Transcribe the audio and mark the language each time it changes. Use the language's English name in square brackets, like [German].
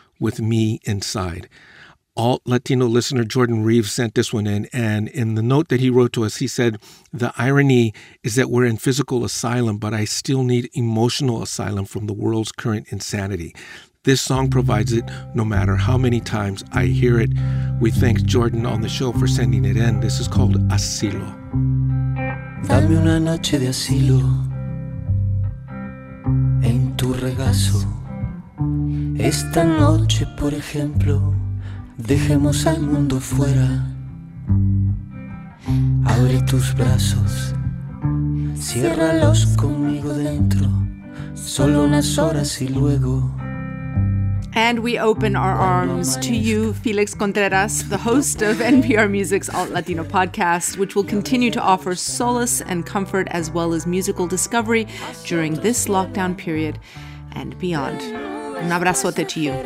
[English] with me inside. Alt Latino listener Jordan Reeves sent this one in, and in the note that he wrote to us, he said, "The irony is that we're in physical asylum, but I still need emotional asylum from the world's current insanity. This song provides it no matter how many times I hear it." We thank Jordan on the show for sending it in. This is called Asilo. [Spanish] Dame una noche de asilo en tu regazo. Esta noche, por ejemplo, dejemos al mundo fuera. Abre tus brazos, ciérralos conmigo dentro. Solo unas horas y luego. [English] And we open our arms to you, Felix Contreras, the host of NPR Music's Alt Latino podcast, which will continue to offer solace and comfort as well as musical discovery during this lockdown period and beyond. [Spanish] Un abrazote [English] to you.